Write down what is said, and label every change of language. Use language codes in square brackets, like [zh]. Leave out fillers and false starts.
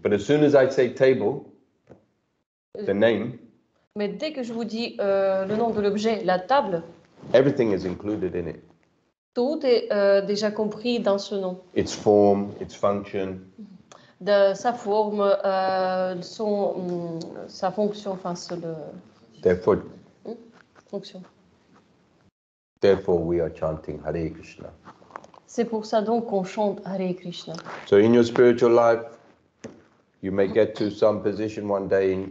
[en] But as soon as I say table, the name, [fr] mais dès que je vous dis le nom de l'objet, la table, [en] everything is included in it. [fr] Tout est déjà compris dans ce nom. [en] Its form, its function. [fr] De sa forme, son, sa fonction, enfin, ce le... [en] Therefore, [fr] fonction. [en] Therefore, we are chanting Hare Krishna. [fr] C'est pour ça donc qu'on chante Hare Krishna. [en] So in your spiritual life, you may get to some position one day.